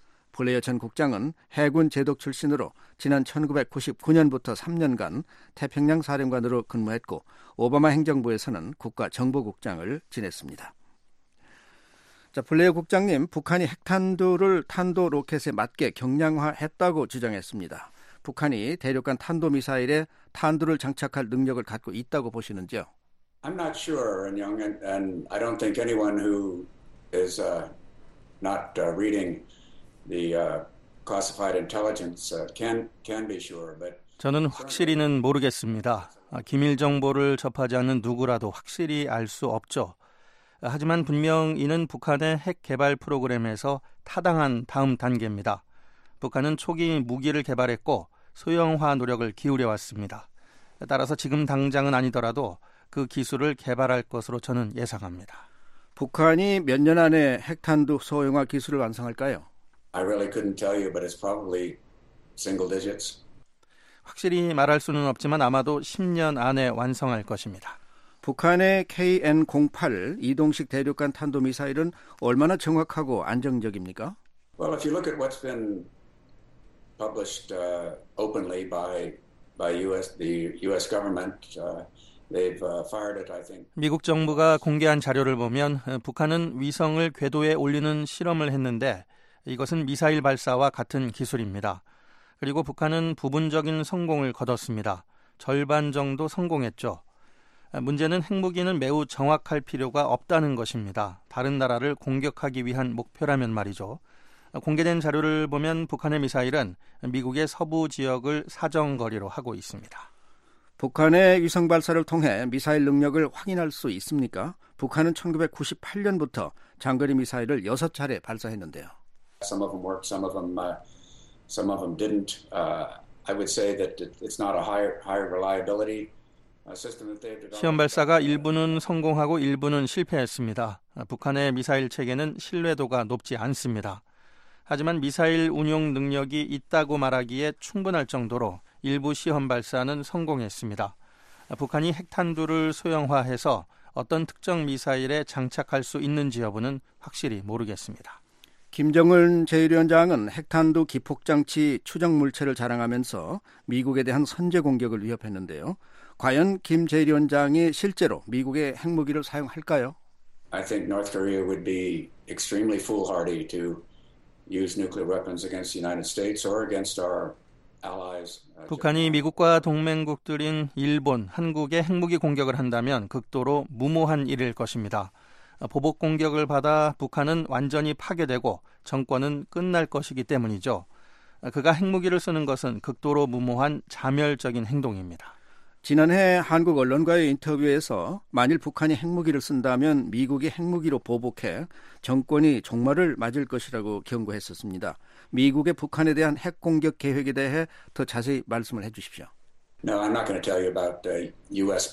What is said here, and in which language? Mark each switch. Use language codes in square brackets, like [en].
[ko] 블레어 전 국장은 해군 제독 출신으로 지난 1999년부터 3년간 태평양 사령관으로 근무했고 오바마 행정부에서는 국가정보국장을 지냈습니다. 자, 블레어 국장님, 북한이 핵탄두를 탄도 로켓에 맞게 경량화했다고 주장했습니다. 북한이 대륙간 탄도 미사일에 탄두를 장착할 능력을 갖고 있다고 보시는지요? [en] I'm not sure, and young, and I don't think anyone who is not reading the classified intelligence can be sure. But [ko] 저는 확실히는 모르겠습니다. 기밀 정보를 접하지 않는 누구라도 확실히 알 수 없죠. 하지만 분명 이는 북한의 핵 개발 프로그램에서 타당한 다음 단계입니다. 북한은 초기 무기를 개발했고 소형화 노력을 기울여 왔습니다. 따라서 지금 당장은 아니더라도 그 기술을 개발할 것으로 저는 예상합니다. 북한이 몇 년 안에 핵탄두 소형화 기술을 완성할까요? [en] I really couldn't tell you, but it's probably single digits. [ko] 확실히 말할 수는 없지만 아마도 10년 안에 완성할 것입니다. 북한의 KN-08 이동식 대륙간 탄도미사일은 얼마나 정확하고 안정적입니까? [en] Well, if you look at what's been published openly by US the US government, they've fired it, I think. [ko] 미국 정부가 공개한 자료를 보면 북한은 위성을 궤도에 올리는 실험을 했는데 이것은 미사일 발사와 같은 기술입니다. 그리고 북한은 부분적인 성공을 거뒀습니다. 절반 정도 성공했죠. 문제는 핵무기는 매우 정확할 필요가 없다는 것입니다. 다른 나라를 공격하기 위한 목표라면 말이죠. 공개된 자료를 보면 북한의 미사일은 미국의 서부 지역을 사정거리로 하고 있습니다. 북한의 위성 발사를 통해 미사일 능력을 확인할 수 있습니까? 북한은 1998년부터 장거리 미사일을 6차례 발사했는데요. [en] Some of them worked, some of them didn't. I would say that it's not a high reliability. [ko] 시험 발사가 일부는 성공하고 일부는 실패했습니다. 북한의 미사일 체계는 신뢰도가 높지 않습니다. 하지만 미사일 운용 능력이 있다고 말하기에 충분할 정도로 일부 시험 발사는 성공했습니다. 북한이 핵탄두를 소형화해서 어떤 특정 미사일에 장착할 수 있는지 여부는 확실히 모르겠습니다. 김정은 제1위원장은 핵탄두 기폭장치 추정 물체를 자랑하면서 미국에 대한 선제 공격을 위협했는데요. 과연 김 제1위원장이 실제로 미국의 핵무기를 사용할까요? [en] I think North Korea would be extremely foolhardy to use nuclear weapons against the United States or against our [ko] 북한이 미국과 동맹국들인 일본, 한국에 핵무기 공격을 한다면 극도로 무모한 일일 것입니다. 보복 공격을 받아 북한은 완전히 파괴되고 정권은 끝날 것이기 때문이죠. 그가 핵무기를 쓰는 것은 극도로 무모한 자멸적인 행동입니다. 지난해 한국 언론과의 인터뷰에서 만일 북한이 핵무기를 쓴다면 미국이 핵무기로 보복해 정권이 종말을 맞을 것이라고 경고했었습니다. 미국의 북한에 대한 핵 공격 계획에 대해 더 자세히 말씀을 해 주십시오. [en] No, I'm not going to tell you about the U.S.